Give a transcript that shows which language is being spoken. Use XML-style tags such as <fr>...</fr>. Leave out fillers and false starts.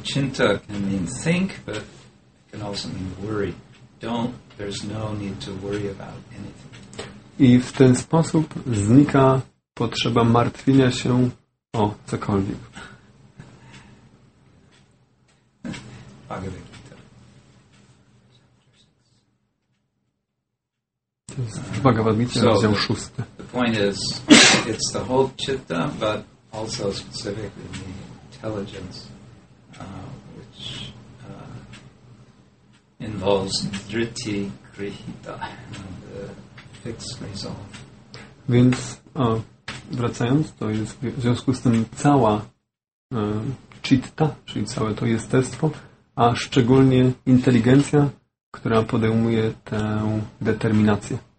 <en>Chinta can mean think, but it can also mean worry. Don't, there's no need to worry about anything.</en> <pl>I w ten sposób znika potrzeba martwienia się o cokolwiek.</pl> <en>Bhagavad Gita.</en> <pl>To jest Bhagavad Gita, rozdział 6.</pl> <en>The point is, it's the whole chitta, but also specifically the intelligence, which involves dhriti krihita, the fixed resolve.</en> <pl>Więc wracając, to jest w związku z tym cała citta, czyli całe to jestestwo, a szczególnie inteligencja, która podejmuje tę determinację.</pl>